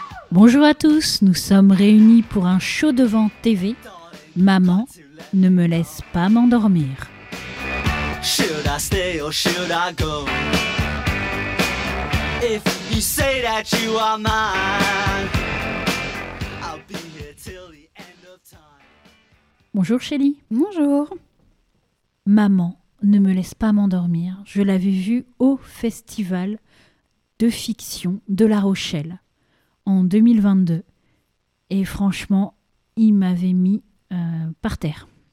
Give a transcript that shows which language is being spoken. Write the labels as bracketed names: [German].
[French] Bonjour à tous, nous sommes réunis pour un show devant TV. Maman ne me laisse pas m'endormir. [English] Should I stay or should I go? If you say that you are mine, I'll be here till the end of time. [French] Bonjour Shelly. Bonjour. Maman ne me laisse pas m'endormir. Je l'avais vue au Festival de fiction de La Rochelle en 2022. Et franchement, il m'avait mis par terre.